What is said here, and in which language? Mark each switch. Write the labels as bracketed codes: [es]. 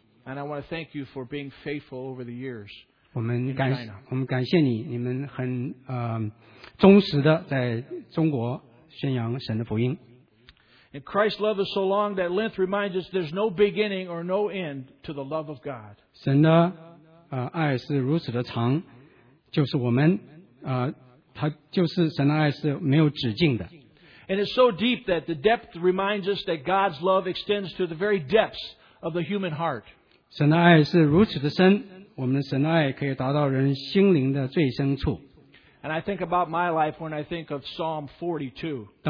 [en] And I want to thank you for being faithful over the years. [zh] 我们感谢你，你们很忠实的在中国宣扬神的福音。 [en] And Christ's love is so long that length reminds us there's no beginning or no end to the love of God. [zh] 神的爱是如此的长，就是我们，他就是神的爱是没有止境的。 [en] And it's so deep that the depth reminds us that God's love extends to the very depths of the human heart. [zh] 神的爱是如此的深，我们的神爱可以达到人心灵的最深处。 [en] And I think about my life when I think of Psalm 42.